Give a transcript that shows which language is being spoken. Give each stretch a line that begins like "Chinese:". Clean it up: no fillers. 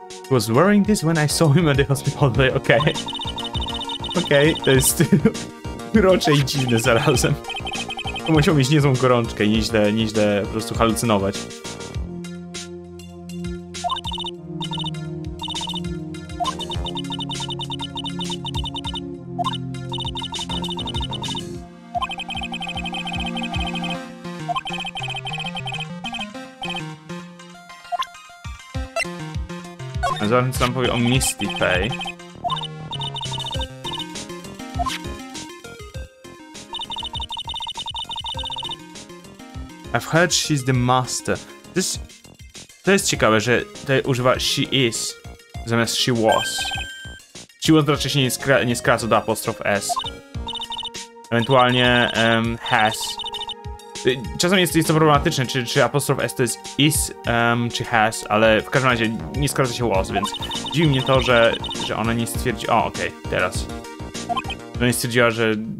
English: Was wearing this when I saw him at the hospital.
Polish: Okej, to jest urocze i dziwne zarazem. To musiał mieć niezłą gorączkę i nieźle po prostu halucynować. Zobaczmy, co nam powie o Misty Fay.
English: I've heard she's the master.
Polish: To jest ciekawe, że tutaj używa she is zamiast she was. She was raczej się nie skraca do apostrof s. Ewentualnie has. Czasem jest to problematyczne, czy apostrof S to jest is, czy has, ale w każdym razie nie skraca się was, więc dziwi mnie to, że ona nie stwierdzi... O, okej, okay, teraz. Ona nie stwierdziła, że...